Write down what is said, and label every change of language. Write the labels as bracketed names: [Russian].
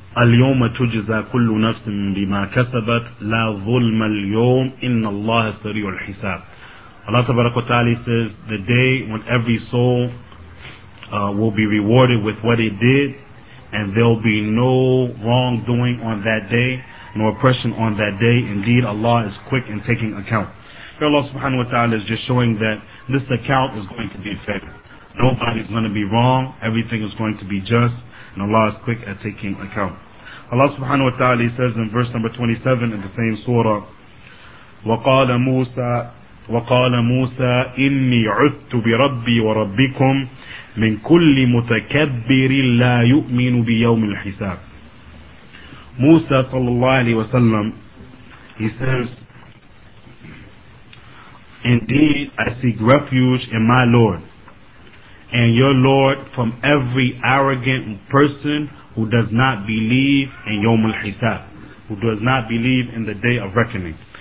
[Arabic] اليوم تجزى كل نفس بما كسبت لا ظلم اليوم إن الله سريع الحساب. [English] Allah Tabarak wa Ta'ala says, the day when every soul will be rewarded with what it did, and there will be no wrongdoing on that day, no oppression on that day. Indeed, Allah is quick in taking account. Allah subhanahu wa ta'ala is just showing that this account is going to be fair. Nobody's going to be wrong. Everything is going to be just. And Allah is quick at taking account. Allah subhanahu wa ta'ala says in verse number 27 in the same surah, [Arabic] وَقَالَ مُوسَى إِنِّي عُثْتُ بِرَبِّي وَرَبِّكُمْ مِنْ كُلِّ مُتَكَبِّرٍ لَا يُؤْمِنُ بِيَوْمِ الْحِسَابِ. [English] Musa sallallahu alayhi wa sallam, he says, indeed, I seek refuge in my Lord and your Lord from every arrogant person who does not believe in Yawm al-Hisab, who does not believe in the day of reckoning.